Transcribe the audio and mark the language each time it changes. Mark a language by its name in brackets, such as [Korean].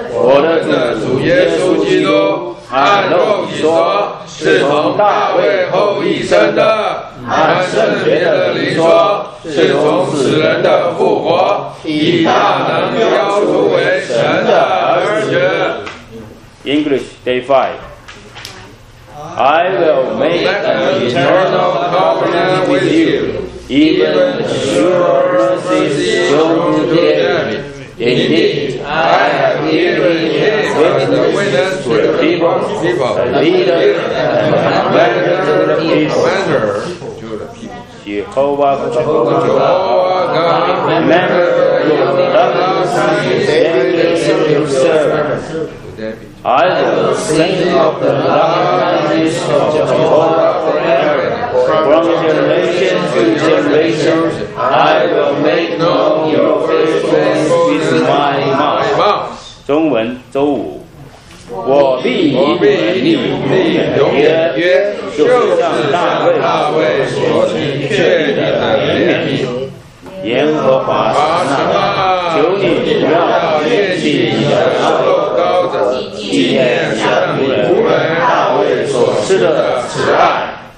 [Chinese] 我的主耶稣基督，按肉体说，是从大卫后裔生的，按圣别的灵说，是从死人的复活，以大能标出为神的儿子。 [English] English Day 5I will make an eternal covenant with you, even sure mercies shown to them. Indeed, I have given him witness to the people, the leader and commander to the people. Jehovah God, remember your loving kindness and your service. I will sing of the loveliness of Jehovah forever. From generation to generation, I will make known your faithfulness with my mouth. [Chinese] 中文周五，我必与你永远约，就是像大卫所定确立的永远。耶和华神啊，求你不要厌弃你的圣所，纪念神仆人大卫所赐的慈爱。